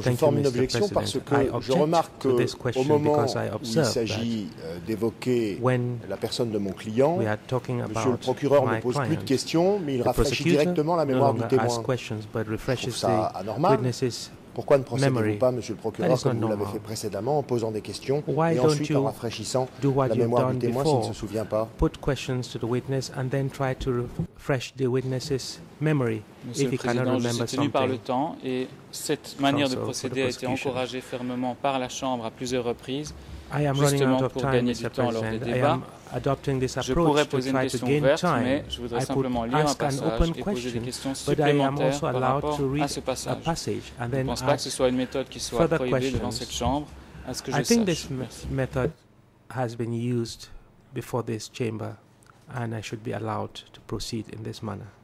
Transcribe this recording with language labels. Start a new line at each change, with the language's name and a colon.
French: Je forme une objection parce que je remarque qu'au moment où il s'agit d'évoquer la personne de mon client, Monsieur le procureur ne pose plus de questions, mais il rafraîchit directement la mémoire du témoin. Je trouve ça anormal. Pourquoi ne procédez-vous pas, Monsieur le procureur, comme vous l'avez fait précédemment, en posant des questions et ensuite en rafraîchissant la mémoire du témoin s'il ne se souvient pas?
English: Put questions to the witness and then try to refresh the witness's memory if he cannot remember something.
French: Par le temps et cette manière de procéder a été encouragée fermement par la Chambre à plusieurs reprises.
English: I am running out of time, Mr. President. I am adopting this approach to try to gain time. I could ask an open question, but I am also allowed to read a passage and then ask further questions. I think this method has been used before this chamber, and I should be allowed to proceed in this manner.